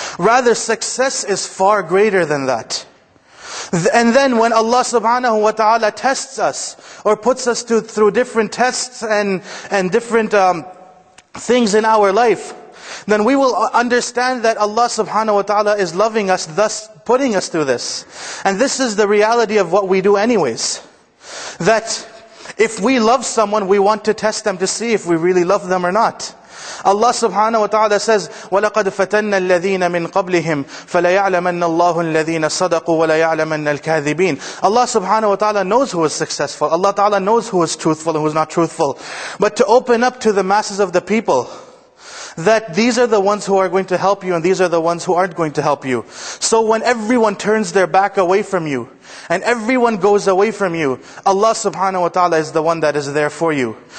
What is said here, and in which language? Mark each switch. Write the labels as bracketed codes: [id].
[en] Rather, success is far greater than that. And then when Allah subhanahu wa ta'ala tests us, or puts us through different tests and different things in our life, then we will understand that Allah subhanahu wa ta'ala is loving us, thus putting us through this. And this is the reality of what we do anyways. That if we love someone, we want to test them to see if we really love them or not. Allah subhanahu wa ta'ala says, [ar] وَلَقَدْ فَتَنَّ الَّذِينَ مِنْ قَبْلِهِمْ فَلَيَعْلَمَنَّ اللَّهُ الَّذِينَ صَدَقُوا وَلَيَعْلَمَنَّ الْكَاذِبِينَ. [en] Allah subhanahu wa ta'ala knows who is successful. Allah ta'ala knows who is truthful and who is not truthful. But to open up to the masses of the people, that these are the ones who are going to help you and these are the ones who aren't going to help you. So when everyone turns their back away from you, and everyone goes away from you, Allah subhanahu wa ta'ala is the one that is there for you.